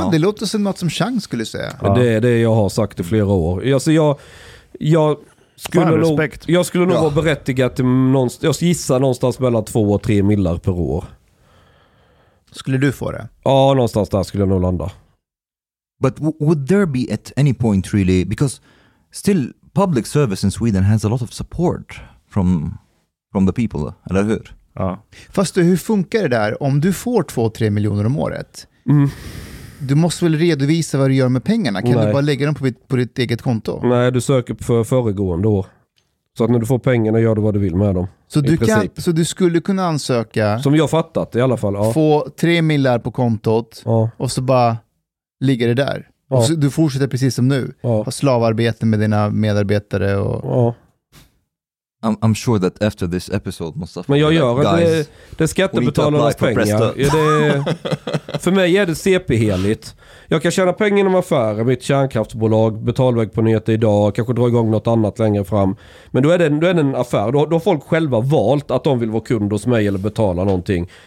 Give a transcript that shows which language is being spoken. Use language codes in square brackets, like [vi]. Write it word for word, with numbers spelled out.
[sv] Ja, det låter som något som Chang skulle säga. Ja. Det är det jag har sagt i flera år. Alltså jag... jag Skulle Fan, nog, jag skulle nog ja. vara berättigad till någonstans, jag gissar någonstans mellan två och tre millar per år. Skulle du få det? Ja, någonstans där skulle jag nog landa. [en] But w- would there be at any point really, because still public service in Sweden has a lot of support from, from the people, [sv] eller hur? Ja. Fast hur funkar det där om du får två till tre miljoner om året? Mm. Du måste väl redovisa vad du gör med pengarna? Kan Nej. du bara lägga dem på ditt, på ditt eget konto? Nej, du söker för föregående år. Så att när du får pengarna gör du vad du vill med dem. Så, du, kan, så du skulle kunna ansöka... Som jag fattat i alla fall. Ja. Få tre millar på kontot ja. och så bara ligger det där. Ja. Och så, du fortsätter precis som nu. Ja. Ha slavarbete med dina medarbetare. Och... Ja. [en] I'm, I'm sure that after this episode Mustafa, [sv] men jag gör att guys, det, det är skattebetalarnas pengar. Ja, det, för mig är det C P-heligt. Jag kan tjäna pengar inom affärer, mitt kärnkraftsbolag, betalväg på nyheter idag, kanske dra igång något annat längre fram. Men då är det, då är det en affär. Då, då har folk själva valt att de vill vara kund hos mig eller betala någonting.